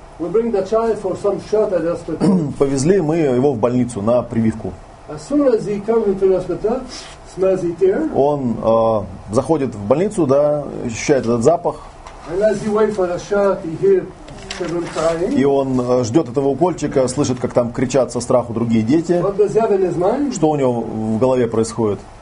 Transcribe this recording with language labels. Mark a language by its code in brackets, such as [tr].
[en] we bring the child for some shot at hospital. [ru] Повезли мы его в больницу на прививку. [en] As soon as he comes into the hospital, smells it here. [ru] Он заходит в больницу, да, ощущает этот запах. [en] And as he waits for the shot, he hears. [ru] И он ждет этого укольчика, слышит, как там кричат со страху другие дети. Что у него в голове происходит?